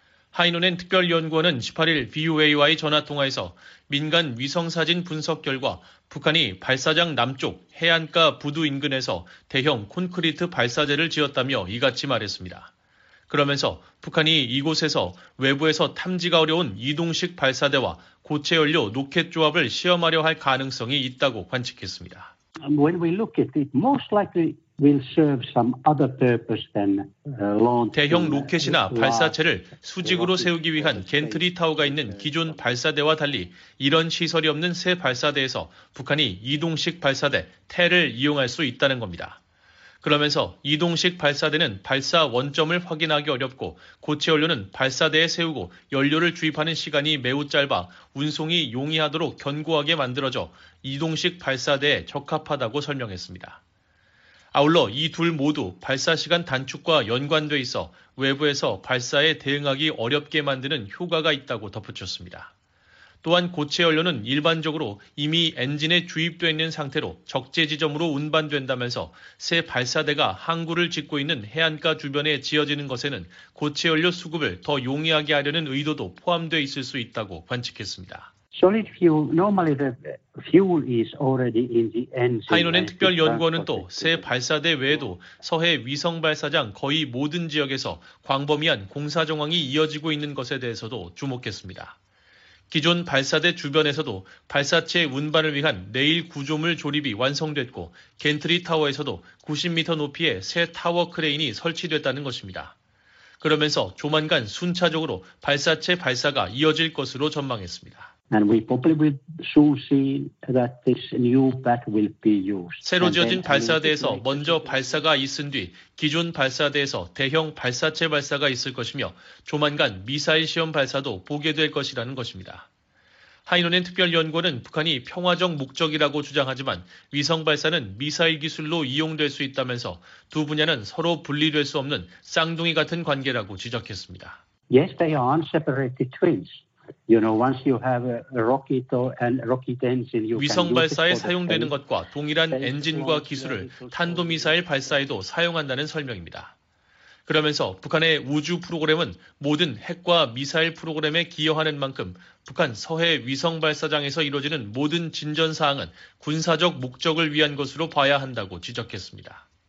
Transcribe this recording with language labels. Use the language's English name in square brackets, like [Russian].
[Korean] 하이노넨 특별연구원은 18일 VOA와의 전화통화에서 민간 위성사진 분석 결과 북한이 발사장 남쪽 해안가 부두 인근에서 대형 콘크리트 발사대를 지었다며 이같이 말했습니다. 그러면서 북한이 이곳에서 외부에서 탐지가 어려운 이동식 발사대와 고체연료 로켓 조합을 시험하려 할 가능성이 있다고 관측했습니다. [English] When we look at it, most likely will serve some other purpose than launch. [Korean] 대형 로켓이나 발사체를 수직으로 세우기 위한 갠트리 타워가 있는 기존 발사대와 달리 이런 시설이 없는 새 발사대에서 북한이 이동식 발사대 테를 이용할 수 있다는 겁니다. 그러면서 이동식 발사대는 발사 원점을 확인하기 어렵고 고체 연료는 발사대에 세우고 연료를 주입하는 시간이 매우 짧아 운송이 용이하도록 견고하게 만들어져 이동식 발사대에 적합하다고 설명했습니다. 아울러 이 둘 모두 발사 시간 단축과 연관돼 있어 외부에서 발사에 대응하기 어렵게 만드는 효과가 있다고 덧붙였습니다. 또한 고체 연료는 일반적으로 이미 엔진에 주입되어 있는 상태로 적재 지점으로 운반된다면서 새 발사대가 항구를 짓고 있는 해안가 주변에 지어지는 것에는 고체 연료 수급을 더 용이하게 하려는 의도도 포함되어 있을 수 있다고 관측했습니다. [English] Solid fuel, normally the fuel is already in the engine. [Korean] 하이노넨 특별연구원은 또 새 발사대 외에도 서해 위성 발사장 거의 모든 지역에서 광범위한 공사 정황이 이어지고 있는 것에 대해서도 주목했습니다. 기존 발사대 주변에서도 발사체 운반을 위한 내일 구조물 조립이 완성됐고 겐트리 타워에서도 90m 높이의 새 타워 크레인이 설치됐다는 것입니다. 그러면서 조만간 순차적으로 발사체 발사가 이어질 것으로 전망했습니다. [English] And we probably will soon see that this new pad will be used. [Korean] 새로 지어진 발사대에서 먼저 발사가 있은 뒤 기존 발사대에서 대형 발사체 발사가 있을 것이며 조만간 미사일 시험 발사도 보게 될 것이라는 것입니다. 하이노넨 특별연구원은 북한이 평화적 목적이라고 주장하지만 위성 발사는 미사일 기술로 이용될 수 있다면서 두 분야는 서로 분리될 수 없는 쌍둥이 같은 관계라고 지적했습니다. [English] Yes, they are unseparated twins. You know, once you have a rocket or a rocket engine, you [Korean] 위성 발사에 사용되는 것과 동일한 엔진과 기술을 탄도 미사일 발사에도 사용한다는 설명입니다. 그러면서 북한의 우주 프로그램은 모든 핵과 미사일 프로그램에 기여하는 만큼 북한 서해 위성 발사장에서 이루어지는 모든 진전 사항은 군사적 목적을 위한 것으로 봐야 한다고 지적했습니다.